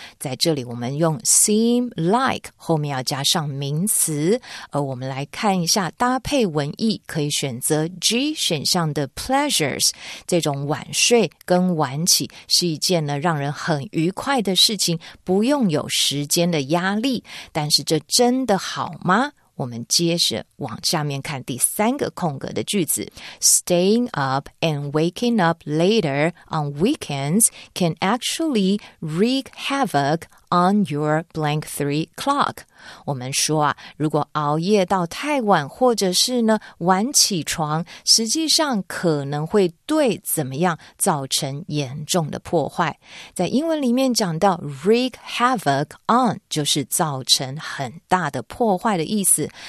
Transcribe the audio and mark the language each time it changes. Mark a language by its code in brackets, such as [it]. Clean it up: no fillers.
[zh] 在这里我们用 seem like 后面要加上名词，而我们来看一下搭配文意，可以选择 G 选项的 pleasures。这种晚睡跟晚起是一件呢让人很愉快的事情，不用有时间的压力。但是这真的好吗？我们接着往下面看第三个空格的句子。 [en] Staying up and waking up later on weekends can actually wreak havoc on your blank three clock。 [zh] 我们说啊，如果熬夜到太晚，或者是呢晚起床，实际上可能会对怎么样造成严重的破坏。在英文里面讲到 wreak havoc on 就是造成很大的破坏的意思。